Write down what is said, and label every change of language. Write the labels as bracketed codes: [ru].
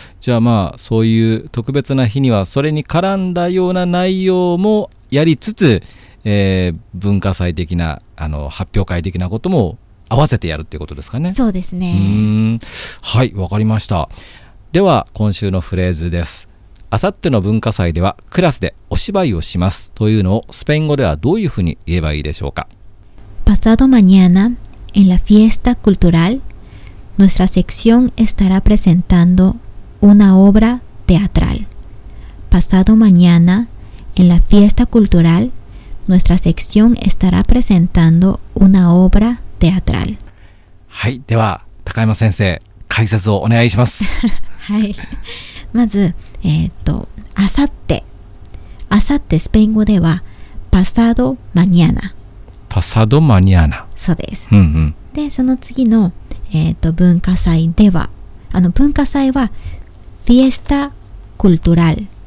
[ja] じゃあそういう特別な日にはそれに絡んだような内容もやりつつ、文化祭的な発表会的なことも合わせてやるっていうことですかね。そうですね。はい、わかりました。では今週のフレーズです。あさっての文化祭ではクラスでお芝居をしますというのをスペイン語ではどういうふうに言えばいいでしょうか？ [es] Pasado mañana en la fiesta cultural nuestra sección estará presentando una obra teatral. Pasado mañana en la fiesta cultural nuestra sección estará presentando una obra teatral. [ja] はい、では高山先生、解説をお願いします。はい、まず、あさって、スペイン語では、 [es] pasado mañana。 pasado mañana。 [ja] そうです。うんうん、で、その次の、文化祭では、文化祭は、 [es] fiesta cultural。